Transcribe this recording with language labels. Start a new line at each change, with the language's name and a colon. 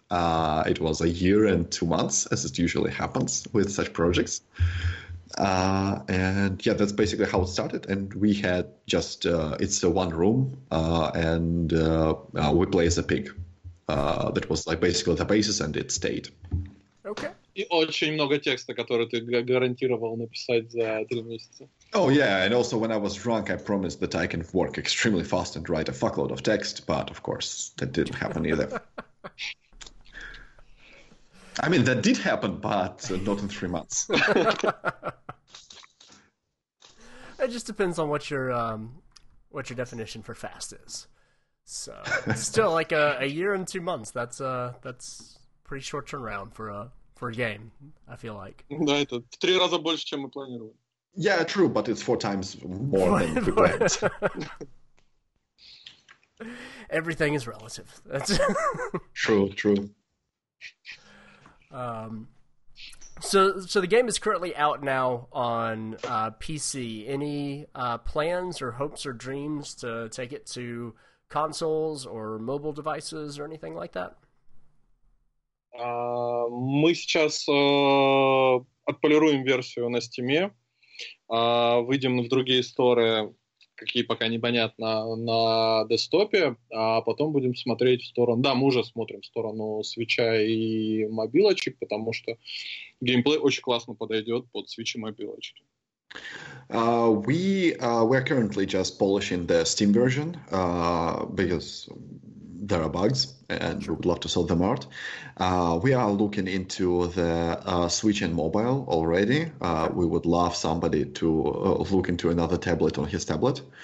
English: It was a year and 2 months, as it usually happens with such projects. And yeah, that's basically how it started. And we had just, it's a one room, we play as a pig. That was like basically the basis and it stayed. Okay.
Russian: И очень много текста, который ты гарантировал написать за 3 месяца.
English: Oh yeah, and also when I was drunk, I promised that I can work extremely fast and write a fuckload of text, but of course that didn't happen either. I mean, that did happen, but not in 3 months. It just depends on what your definition for fast is. So still, like a year and 2 months. That's pretty short turnaround for a game. I feel like.
Russian: Да, это в три раза больше, чем мы планировали.
English: Yeah, true, but it's 4 times more than we planned. Everything is relative. That's true. True. So the game is currently out now on PC. Any plans or hopes or dreams to take it to consoles or mobile devices or anything like that?
Russian: Мы сейчас отполируем версию на Steam. Выйдем в другие сторы, какие пока непонятно, на десктопе, а потом будем смотреть в сторону... Да, мы уже смотрим в сторону свеча и мобилочек, потому что геймплей очень классно подойдет под свечи и мобилочки.
English: We're currently just polishing the Steam version because there are bugs and we would love to sort them out. We are looking into the Switch and mobile already. We would love somebody to look into another tablet on his tablet.